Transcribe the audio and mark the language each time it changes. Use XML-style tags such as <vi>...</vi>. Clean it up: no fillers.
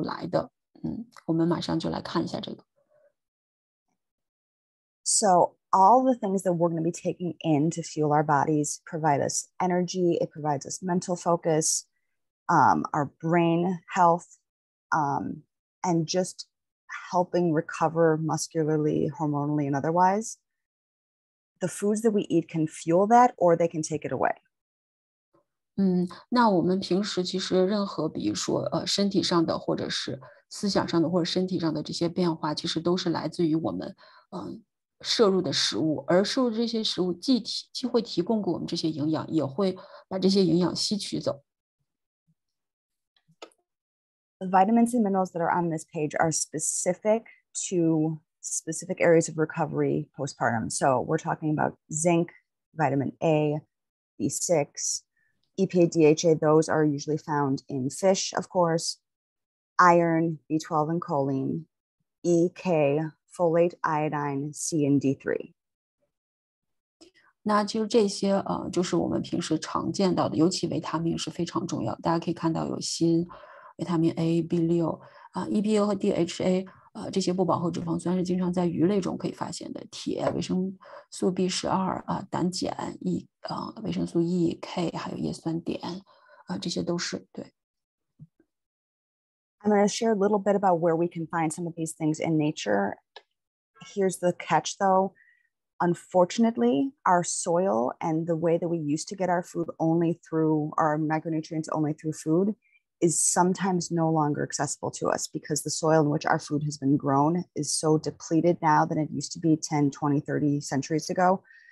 <zh>那我们刚才看到的是大量的营养素。那其实这些微量的营养素是从大量的营养素来的。我们马上就来看一下这个。</zh> <en>So all the things that we're going to be taking in to fuel our bodies provide us energy, it provides us mental focus, our brain health, and just helping recover muscularly, hormonally, and otherwise. The foods that we eat can fuel that or they can take it away.</en> <zh>那我们平时其实任何比如说身体上的或者是思想上的或者身体上的这些变化其实都是来自于我们摄入的食物，而摄入这些食物既会提供给我们这些营养，也会把这些营养吸取走。</zh> <en>The vitamins and minerals that are on this page are specific to specific areas of recovery postpartum. So we're talking about zinc, vitamin A, B6, EPA, DHA. Those are usually found in fish, of course. Iron, B12 and choline, E, K, folate, iodine, C and D3.</en> <zh>那就这些就是我们平时常见到的，尤其维他命是非常重要。大家可以看到有锌、维他命 A、B6 EPA 和 DHA 这些不饱和脂肪酸是经常在鱼类中可以发现的，铁、维生素 B12 胆碱、维生素 E、K 还有叶酸碘这些都是。对，</zh> <en>I'm going to share a little bit about where we can find some of these things in nature. Here's the catch, though. Unfortunately, our soil and the way that we used to get our food only through our micronutrients only through food is sometimes no longer accessible to us because the soil in which our food has been grown is so depleted now than it used to be 10, 20, 30 centuries ago.</en>